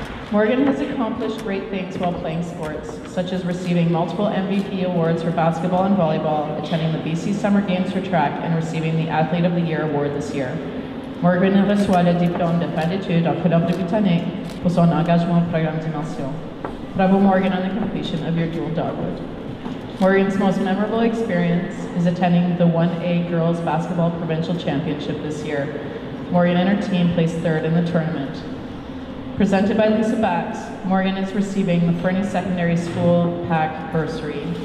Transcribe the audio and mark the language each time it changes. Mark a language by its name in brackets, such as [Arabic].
[English] Morgan has accomplished great things while playing sports, such as receiving multiple MVP awards for basketball and volleyball, attending the BC Summer Games for track, and receiving the Athlete of the Year award this year. [French] Morgan a reçu le diplôme de fin d'études en Colombie Britannique pour son engagement au programme Dimension. [English] Bravo, Morgan, on the completion of your dual dogwood. Morgan's most memorable experience is attending the 1A Girls Basketball Provincial Championship this year. Morgan and her team placed third in the tournament. Presented by Lisa Bax, Morgan is receiving the Fernie Secondary School PAC bursary.